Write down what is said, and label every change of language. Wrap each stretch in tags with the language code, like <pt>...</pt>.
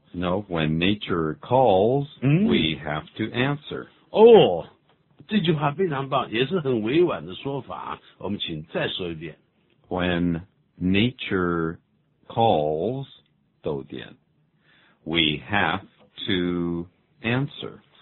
<en>No, when nature calls,、we have to answer.</en> <zh>Oh, 这句话非常棒也是很委婉的说法我们请再说一遍。</zh> <en>When nature calls,</en> <zh>逗点</zh> <en>we have to answer.</en>